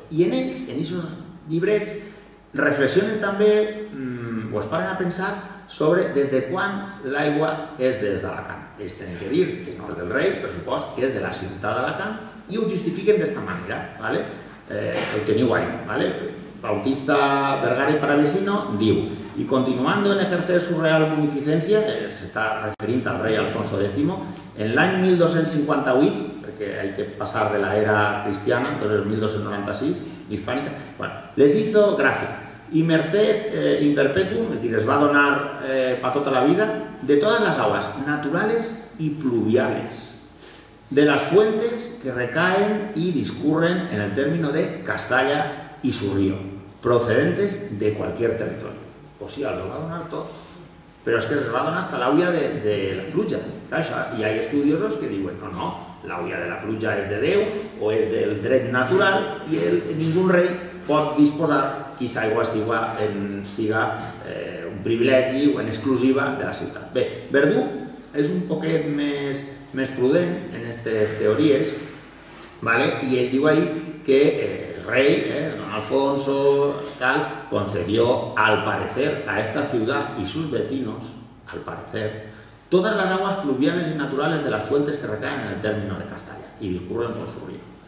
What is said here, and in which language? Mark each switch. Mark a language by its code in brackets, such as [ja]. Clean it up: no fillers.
[ca] I en ells, en aquests llibrets, reflexionen també, o es paren a pensar, sobre des de quan l'aigua és des d'Alacant. Ells tenen que dir que no és del rei, per supost, que és de la ciutat d'Alacant, i ho justifiquen d'aquesta manera. ¿Vale? Ho teniu ahí. ¿Vale? [es] Bautista Vergara i Palavecino diu: y continuando en ejercer su real munificencia, se está referiendo al rey Alfonso X, en el año 1258, porque hay que pasar de la era cristiana, entonces 1296, hispánica, bueno, les hizo gracia, y merced in perpetuum, es decir, les va a donar para toda la vida, de todas las aguas naturales y pluviales, de las fuentes que recaen y discurren en el término de Castalla y su río, procedentes de cualquier territorio. [ca] O sí, els ho va donar tot, però és que els va donar fins a l'àuia de la pluja. Clar, hi ha estudiosos que diuen: no, l'àuia de la pluja és de Déu o és del dret natural i ningú rei pot disposar que l'aigua siga un privilegi o en exclusiva de la ciutat. Bé, Verdú és un poquet més prudent en aquestes teories, ¿vale?, i ell diu ahí que [es] rey, don Alfonso, tal, concedió al parecer a esta ciudad y sus vecinos, al parecer, todas las aguas pluviales y naturales de las fuentes que recaen en el término de Castalla y discurren por su río.